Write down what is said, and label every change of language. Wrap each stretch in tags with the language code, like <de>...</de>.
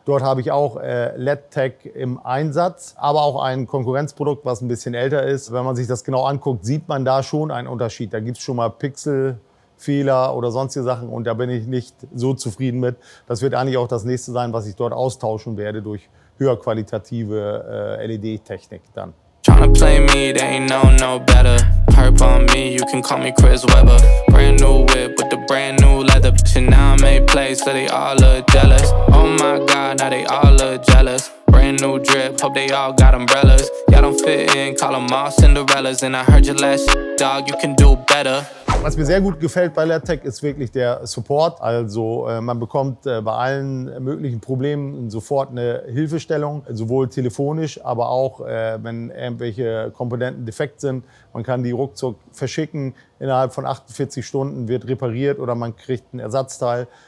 <de>Dort habe ich auch LED-Tech im Einsatz, aber auch ein Konkurrenzprodukt, was ein bisschen älter ist. Wenn man sich das genau anguckt, sieht man da schon einen Unterschied. Da gibt es schon mal Pixelfehler oder sonstige Sachen und da bin ich nicht so zufrieden mit. Das wird eigentlich auch das nächste sein, was ich dort austauschen werde durch höher qualitative LED-Technik dann.</de> <en>Tryna play me, they ain't know no better. Perp on me, you can call me Chris Webber. Brand new whip with the brand new leather. Shit, now I make plays, so they all look jealous. Oh my god, now they all look jealous. Brand new drip, hope they all got umbrellas. Y'all don't fit in, call them all Cinderellas. And I heard your last shit, dog, you can do better.</en> <de>Was mir sehr gut gefällt bei LED-Tech ist wirklich der Support. Also man bekommt bei allen möglichen Problemen sofort eine Hilfestellung, sowohl telefonisch, aber auch wenn irgendwelche Komponenten defekt sind. Man kann die ruckzuck verschicken, innerhalb von 48 Stunden wird repariert oder man kriegt ein Ersatzteil.</de>